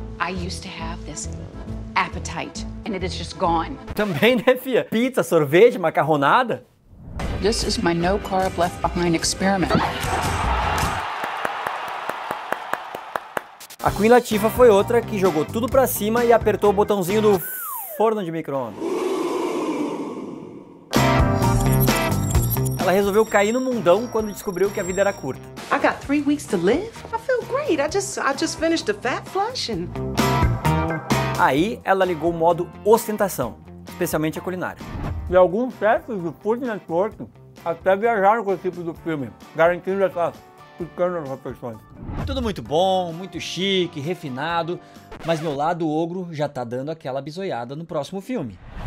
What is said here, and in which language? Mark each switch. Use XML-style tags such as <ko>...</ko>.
<en>I used to have this appetite and it is just gone.</en> <pt>Também, né, fia? Pizza, sorvete, macarronada?</pt> <en>This is my no carb left behind experiment.</en> <pt>A Queen Latifah foi outra que jogou tudo pra cima e apertou o botãozinho do forno de micro-ondas. Ela resolveu cair no mundão quando descobriu que a vida era curta.</pt> <en>I got 3 weeks to live. I feel great. I just finished a fat flush and...</en> <pt>Aí ela ligou o modo ostentação, especialmente a culinária. E alguns chefes de Food Network até viajaram com esse tipo de filme, garantindo essas pequenas refeições. Tudo muito bom, muito chique, refinado, mas meu lado ogro já tá dando aquela bisoiada no próximo filme.</pt>